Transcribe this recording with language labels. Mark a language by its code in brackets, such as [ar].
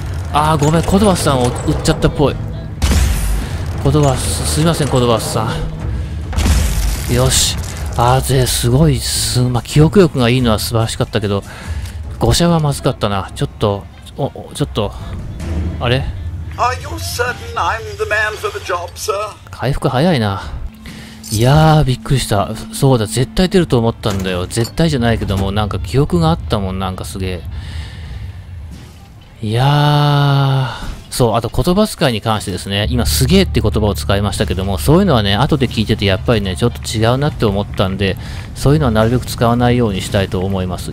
[ja] あー、ごめん、コドバスさんを撃っちゃったっぽい。コドバス、すいません、コドバスさん。よし、あーぜ、すごい、まあ、記憶力がいいのは素晴らしかったけど、誤射はまずかったな。ちょっと、ちょっと、あれ？ [en] Are you certain I'm the man for the job, sir? [ja] 回復早いな。いやー、びっくりした。そうだ、絶対出ると思ったんだよ。絶対じゃないけども、なんか記憶があったもん、なんかすげえ。いやー、そう、あと言葉遣いに関してですね、今すげーって言葉を使いましたけども、そういうのはね、後で聞いててやっぱりね、ちょっと違うなって思ったんで、そういうのはなるべく使わないようにしたいと思います。